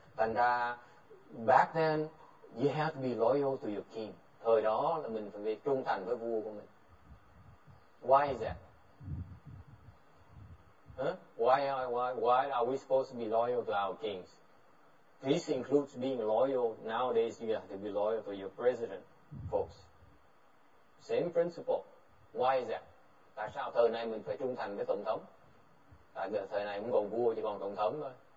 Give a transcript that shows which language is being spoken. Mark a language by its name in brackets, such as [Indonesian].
[Vietnamese] Thành ra [English] back then you have to be loyal to your king. [Vietnamese] Thời đó là mình phải trung thành với vua của mình. [English] Why is that? Huh? Why are we supposed to be loyal to our kings? This includes being loyal. Nowadays, you have to be loyal to your president, folks. Same principle. Why is that? [Vietnamese] Tại sao thời nay mình phải trung thành với tổng thống? Tại vì thời nay không còn vua, chỉ còn tổng thống thôi.